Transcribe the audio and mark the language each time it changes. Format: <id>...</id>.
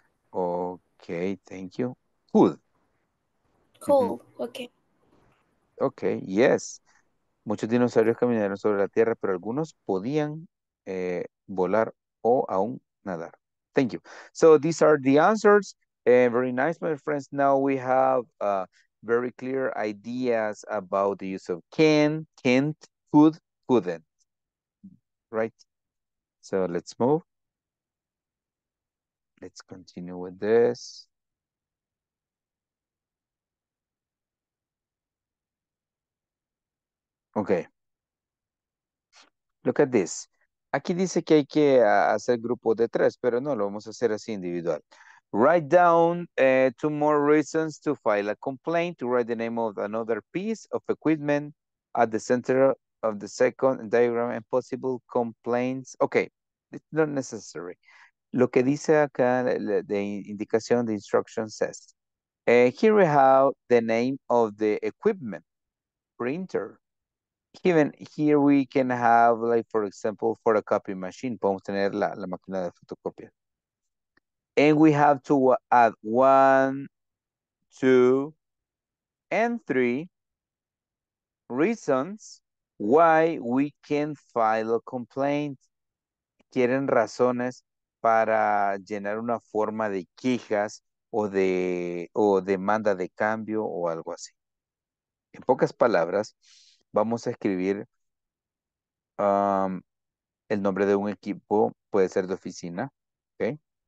<en>Okay. Thank you. Cool. Cool. Mm-hmm. Okay. Okay. Yes.</en> <es>Muchos dinosaurios caminaron sobre la tierra, pero algunos podían volar o aún nadar.</es> <en>Thank you. So these are the answers. Very nice, my friends. Now we have very clear ideas about the use of can, can't, could, couldn't. Right? So let's move. Let's continue with this. Okay. Look at this.</en> <es>Aquí dice que hay que hacer grupos de tres, pero no, lo vamos a hacer así individual.</es> <en>Write down two more reasons to file a complaint. Write the name of another piece of equipment at the center of the second diagram and possible complaints. Okay, it's not necessary.</en> <es>Lo que dice acá,</es> <en>the indicación, the instruction says, here we have the name of the equipment, printer, Even here we can have, like, for example, for a copy machine,</en> <es>podemos tener la, la máquina de fotocopia.</es> <en>And we have to add 1, 2, and 3 reasons why we can file a complaint.</en> <es>Quieren razones para llenar una forma de quejas o demanda de cambio o algo así. En pocas palabras, vamos a escribir el nombre de un equipo, puede ser de oficina, okay?</es>